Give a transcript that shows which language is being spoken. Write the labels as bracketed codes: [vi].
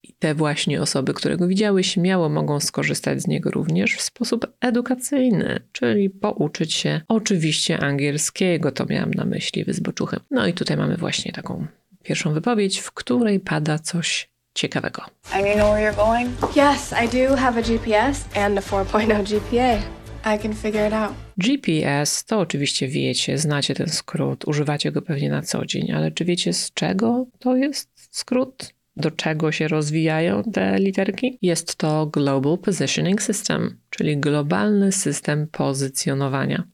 [pl] I te właśnie osoby, które go widziały, śmiało mogą skorzystać z niego również w sposób edukacyjny, czyli pouczyć się oczywiście angielskiego, to miałam na myśli wyzboczuchy. No i tutaj mamy właśnie taką pierwszą wypowiedź, w której pada coś ciekawego. [en] And you know where you're going? Yes, I do have a GPS and a 4.0 GPA. I can figure it out. [pl] GPS to oczywiście wiecie, znacie ten skrót, używacie go pewnie na co dzień, ale czy wiecie z czego to jest skrót? Do czego się rozwijają te literki? Jest to Global Positioning System, czyli globalny system pozycjonowania.